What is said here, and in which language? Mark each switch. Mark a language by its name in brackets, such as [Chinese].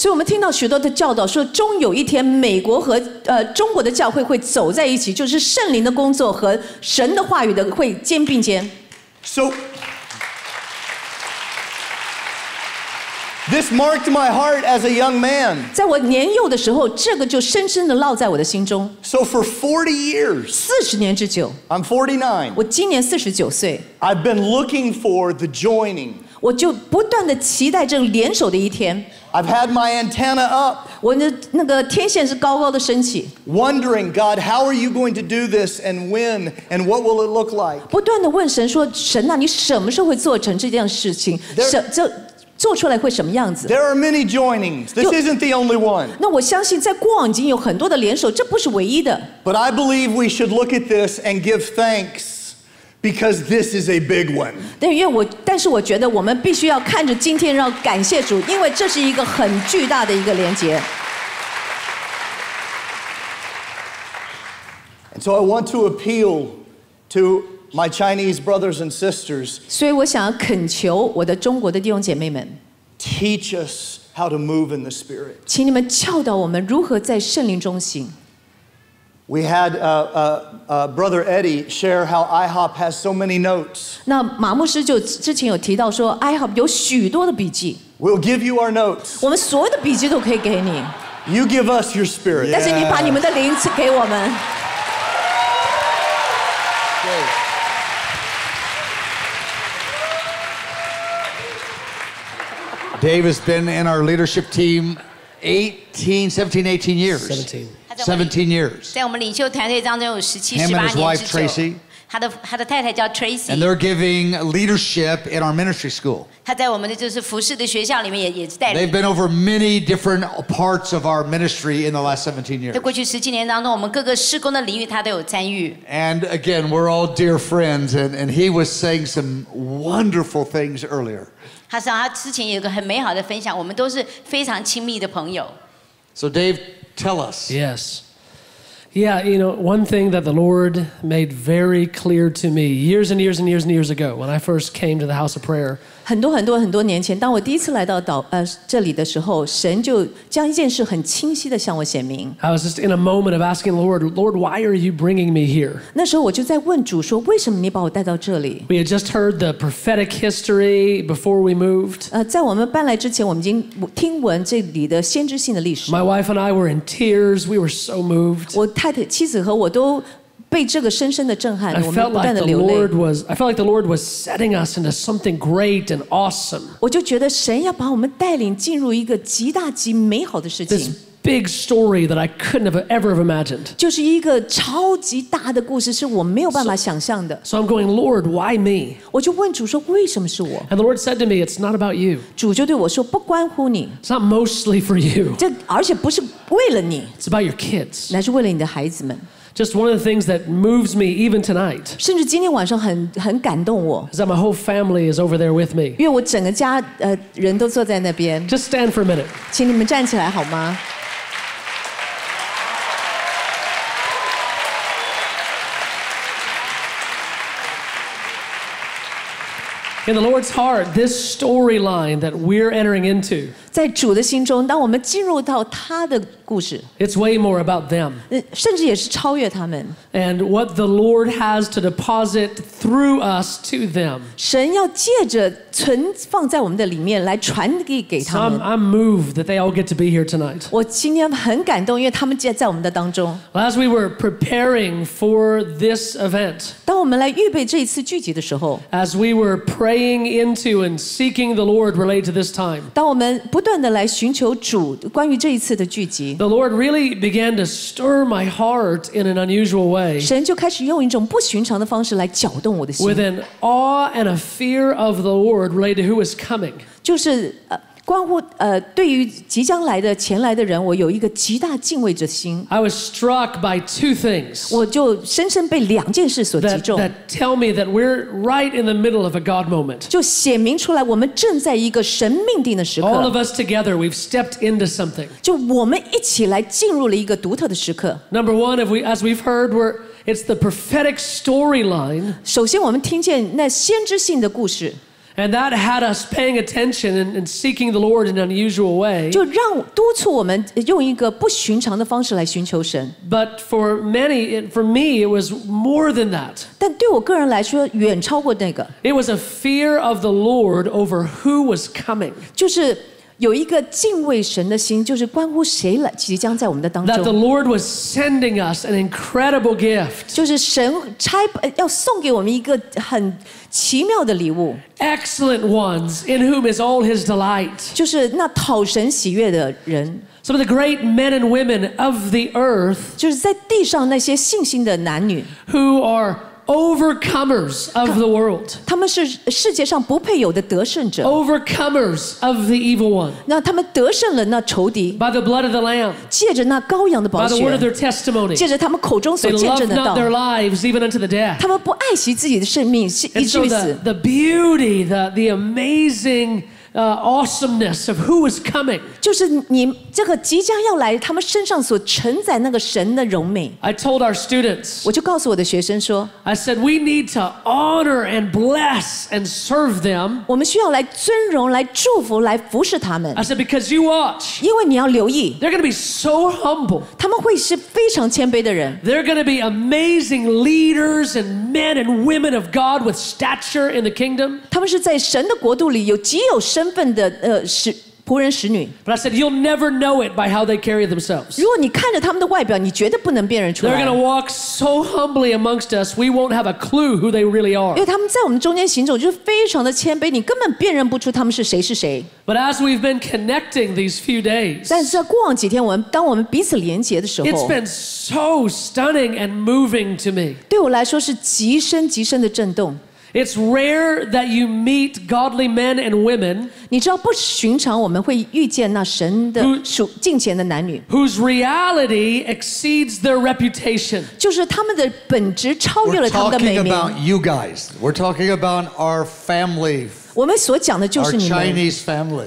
[Chinese] 所以我们听到许多的教导说，终有一天美国和中国的教会会走在一起，就是。圣灵的工作和神的话语的会肩并肩。 [English] So, this marked my heart as a young man. [Chinese] 在我年幼的时候，这个就深深的烙在我的心中。 [English] So for 40 years, [Chinese] 四十年之久。 [English] I'm 49. [Chinese] 我今年四十九岁。 [English] I've been looking for the joining. [Chinese] 我就不断的期待这联手的一天。 [English] I've had my antenna up. [Chinese] 我那个天线是高高的升起。 [English] Wondering, God, how are you going to do this and when and what will it look like? [Chinese] 不断地问神说，神啊，你什么时候会做成这件事情？做出来会什么样子？ [English] There are many joinings. This isn't the only one. [Chinese] 那我相信在过往已经有很多的联手，这不是唯一的。 [English] But I believe we should look at this and give thanks. Because this is a big one. [Chinese] 但是我觉得我们必须要看着今天，要感谢主，因为这是一个很巨大的一个连结。 [English] And so I want to appeal to my Chinese brothers and sisters. [Chinese] 所以我想要恳求我的中国的弟兄姐妹们。 [English] Teach us how to move in the Spirit. [Chinese] 请你们教导我们如何在圣灵中行。 [English] We had Brother Eddie share how IHOP has so many notes. [Chinese] 那马牧师就之前有提到说 ，IHOP 有许多的笔记。 [English] We'll give you our notes. [Chinese] 我们所有的笔记都可以给你。 [English] You give us your spirit. [Chinese] 但是你把你们的灵赐给我们。 [English] Dave has been in our leadership team 17 years. 17 years. [Chinese] 在我们领袖团队当中有17、18年之久。 [English] Him and his wife Tracy. [Chinese] 他的太太叫 Tracy. [English] And they're giving leadership in our ministry school. [Chinese] 他在我们的就是服事的学校里面也带领。 [English] They've been over many different parts of our ministry in the last 17 years. [Chinese] 在过去十七年当中，我们各个事工的领域他都有参与。 [English] And again, we're all dear friends, and he was saying some wonderful things earlier. [Chinese] 他说他之前有个很美好的分享，我们都是非常亲密的朋友。 [English] So Dave. Tell us. Yes. Yeah, you know, one thing that the Lord made very clear to me years and years and years and years ago when I first came to the house of prayer. [Chinese] 很多很多很多年前，当我第一次来到这里的时候，神就将一件事很清晰地向我显明。 [English] I was just in a moment of asking the Lord, Lord, why are you bringing me here? [Chinese] 那时候我就在问主说，为什么你把我带到这里？ [English] We had just heard the prophetic history before we moved. [Chinese] 在我们搬来之前，我们已经听闻这里的先知性的历史。 [English] My wife and I were in tears. We were so moved. [Chinese] 我太太、妻子和我都被这个深深的震撼，我们不断的流泪。 [English] I felt like the Lord was setting us into something great and awesome. [Chinese] 我就觉得神要把我们带领进入一个极大极美好的事情。 [English] This big story that I couldn't have ever have imagined. [Chinese] 就是一个超级大的故事，是我没有办法想象的。 [English] So I'm going, Lord, why me? [Chinese] 我就问主说，为什么是我？ [English] And the Lord said to me, it's not about you. [Chinese] 主就对我说，不关乎你。 [English] It's not mostly for you. [Chinese] 这而且不是为了你。 [English] It's about your kids. [Chinese] 乃是为了你的孩子们。 [English] Just one of the things that moves me even tonight. [Chinese] 甚至今天晚上很感动我。 [English] Is that my whole family is over there with me? [Chinese] 因为我整个家人都坐在那边。 [English] Just stand for a minute. [Chinese] 请你们站起来好吗？ [English] In the Lord's heart, this storyline that we're entering into. [Chinese] 在主的心中，当我们进入到他的故事， [English] it's way more about them. [Chinese] 甚至也是超越他们。 [English] And what the Lord has to deposit through us to them. [Chinese] 神要借着存放在我们的里面来传给他们。 [English] So I'm moved that they all get to be here tonight. [Chinese] 我今天很感动，因为他们在我们的当中。 [English] Well, as we were preparing for this event, [Chinese] 当我们来预备这一次聚集的时候， [English] as we were praying into and seeking the Lord related to this time, [Chinese] 当我们不断地来寻求主关于这一次的聚集。 [English] The Lord really began to stir my heart in an unusual way. [Chinese] 神就开始用一种不寻常的方式来搅动我的心。 [English] With an awe and a fear of the Lord related to who is coming. [Chinese] 就是关乎对于即将来的前来的人，我有一个极大敬畏之心。 [English] I was struck by two things. [Chinese] 我就深深被两件事所击中。 [English] That tell me that we're right in the middle of a God moment. [Chinese] 就显明出来我们正在一个神命定的时刻。 [English] All of us together, we've stepped into something. [Chinese] 就我们一起来进入了一个独特的时刻。 [English] Number one, as we've heard, it's the prophetic storyline. [Chinese] 首先，我们听见那先知性的故事。 [English] And that had us paying attention and seeking the Lord in an unusual way. [Chinese] 就让督促我们用一个不寻常的方式来寻求神。 [English] But for many, for me, it was more than that. [Chinese] 但对我个人来说，远超过那个。 [English] It was a fear of the Lord over who was coming. [Chinese] 就是有一个敬畏神的心，就是关乎谁来即将在我们的当中。 [English] That the Lord was sending us an incredible gift. [Chinese] 就是神差要送给我们一个很奇妙的礼物。 [English] Excellent ones in whom is all his delight. [Chinese] 就是那讨神喜悦的人。 [English] Some of the great men and women of the earth. [Chinese] 就是在地上那些信心的男女。 [English] Who are overcomers of the world. [Chinese] 他们是世界上不配有的得胜者。 [English] Overcomers of the evil one. [Chinese] 那他们得胜了那仇敌。 [English] By the blood of the lamb. [Chinese] 借着那羔羊的宝血。 [English] By the word of their testimony. [Chinese] 借着他们口中所见证的道。 [English] They love not their lives even unto the death. [Chinese] 他们不爱惜自己的生命，以至于死。 [English] And so the beauty, the amazing awesomeness of who is coming. [Chinese] 就是你这个即将要来，他们身上所承载那个神的荣美。 [English] I told our students. [Chinese] 我就告诉我的学生说。 [English] I said we need to honor and bless and serve them. [Chinese] 我们需要来尊荣、来祝福、来服侍他们。 [English] I said because you watch. [Chinese] 因为你要留意。 [English] They're going to be so humble. [Chinese] 他们会是非常谦卑的人。 [English] They're going to be amazing leaders and men and women of God with stature in the kingdom. [Chinese] 他们是在神的国度里有极有身份的使仆人使女。 [English] But I said you'll never know it by how they carry themselves. [Chinese] 如果你看着他们的外表，你绝对不能辨认出来。 [English] They're going to walk so humbly amongst us, we won't have a clue who they really are. [Chinese] 因为他们在我们中间行走，就是非常的谦卑，你根本辨认不出他们是谁是谁。 [English] But as we've been connecting these few days, [Chinese] 但是过往几天，当我们彼此连结的时候， [English] it's been so stunning and moving to me. [Chinese] 对我来说是极深极深的震动。 [English] It's rare that you meet godly men and women. [Chinese] 你知道不寻常，我们会遇见那神的敬虔的男女。 [English] Whose reality exceeds their reputation. [Chinese] 就是他们的本质超越了他们的美名。 [English] We're talking about you guys. We're talking about our family. [Chinese] 我们所讲的就是你们。 [English] Our Chinese family.